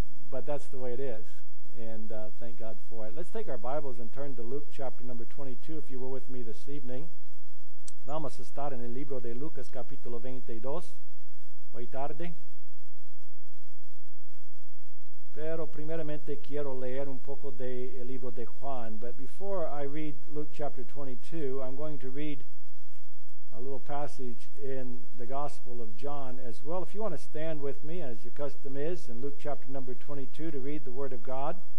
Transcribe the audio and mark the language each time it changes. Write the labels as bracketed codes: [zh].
[en] But that's the way it is, and thank God for it. Let's take our Bibles and turn to Luke chapter number 22, if you were with me this evening. [es] Vamos a estar en el libro de Lucas capítulo 22, hoy tarde. Pero primeramente quiero leer un poco de el libro de Juan. [en] But before I read Luke chapter 22, I'm going to read a little passage in the Gospel of John as well. If you want to stand with me, as your custom is, in Luke chapter number 22 to read the Word of God.